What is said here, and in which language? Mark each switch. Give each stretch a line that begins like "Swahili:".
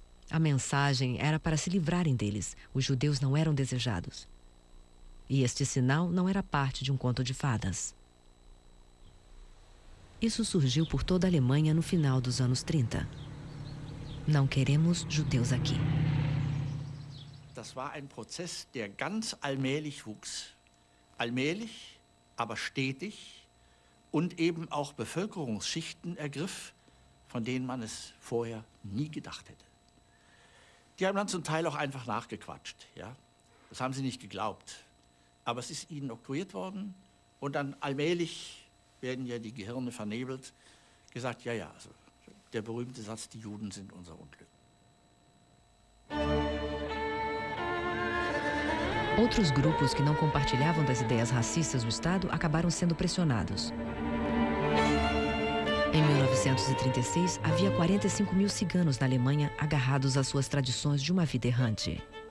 Portuguese: A mensagem era para se livrarem deles. Os judeus não eram desejados. E este sinal não era parte de um conto de fadas. Isso surgiu por toda a Alemanha no final dos anos 30. Não queremos judeus aqui.
German: Das war ein Prozess, der ganz allmählich wuchs. Allmählich, aber stetig und eben auch Bevölkerungsschichten ergriff, von denen man es vorher nie gedacht hätte. Die haben dann zum Teil auch einfach nachgequatscht, ja. Das haben sie nicht geglaubt. Aber es ist ihnen oktroyiert worden und dann allmählich werden ja die Gehirne vernebelt, gesagt, ja, ja, also der berühmte Satz, die Juden sind unser Unglück.
Portuguese: Outros grupos que não compartilhavam das ideias racistas do Estado acabaram sendo pressionados. Em 1936, havia 45 mil ciganos na Alemanha agarrados às suas tradições de uma vida errante.